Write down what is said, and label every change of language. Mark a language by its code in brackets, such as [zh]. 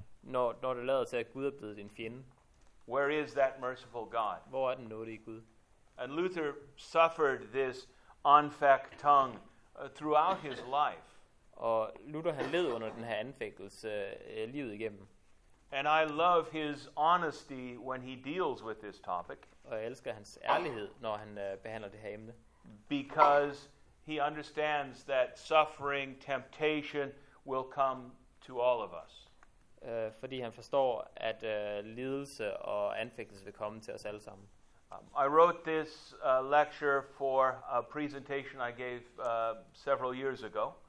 [da] Når det lader til, at Gud er blevet din fjende. [en] Where is that merciful God? [da] Hvor er den nådige Gud? [en] And Luther suffered this anfechtung throughout his life. [da] Og Luther, han led under den her anfægtelse livet igennem. [en] And I love his honesty when he deals with this topic. [da] Og jeg elsker hans ærlighed, når han behandler det her emne. [en] Because he understands that suffering, temptation will come to all of us. [da] Fordi han forstår, at lidelse og anfægtelse vil komme til os alle sammen. [en] I wrote this lecture for a presentation I gave several years ago.